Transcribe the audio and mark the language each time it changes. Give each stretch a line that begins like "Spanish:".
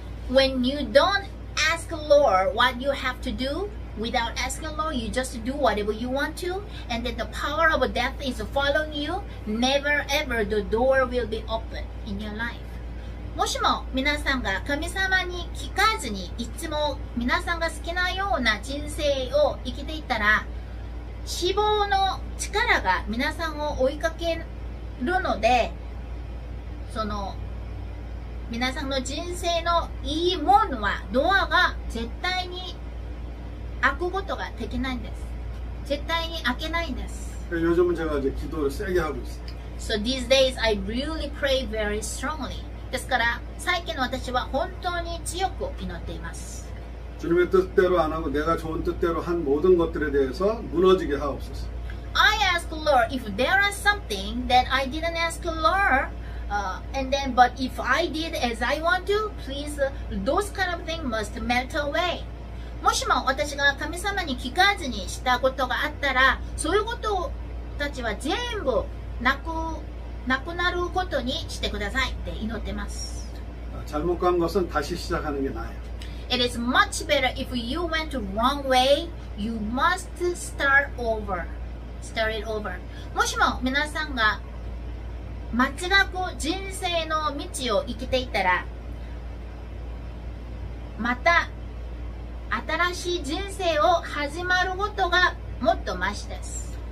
English: When you don't ask the Lord what you have to do, without asking the Lord, you just do whatever you want to, and then the power of death is following you, never ever the door will be open in your life.
Japanese: もしも皆さんが神様に聞かずに、いつも皆さんが好きなような人生を生きていたら、死亡の力が皆さんを追いかけるのでその皆さんの人生のいいものはドアが絶対に開くことができないんです。絶対に開けないんです。
Korean: 요즘은제가이제기도를세게하고있어요。
English: So these days I really pray very strongly.
Japanese: ですから最近私は本当に強く祈っています。
Korean: 주님의뜻대로안하고내가좋은뜻대로한모든것들에대해서무너지게하옵소서。
English: I ask the Lord if there is something that I didn't ask the Lord, and then but if I did as I want to, please those kind of things must melt away.
Japanese: もしも私が神様に聞かずにしたことがあったら、そういうことたちは全部なくなることにしてくださいって祈ってます。
Korean: 잘못간것은다시시작하는게나아요。
English: It is much better if you went the wrong way, you must start over. Start it over.
Japanese: もしも皆さんが間違く人生の道を生きていたら、また新しい人生を始まることがもっとマシです。